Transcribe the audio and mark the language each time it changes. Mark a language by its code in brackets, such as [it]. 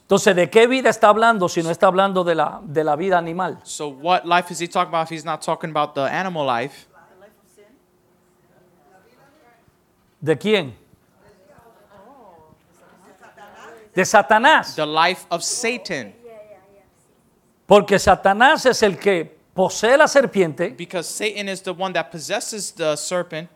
[es] Entonces, ¿de qué vida está hablando si no está hablando de la vida animal? [en] So what life is he talking about if he's not talking about the animal life? [es] ¿De quién? De Satanás. [en] The life of Satan. [es] Porque Satanás es el que posee la serpiente. [en] Because Satan is the one that possesses the serpent.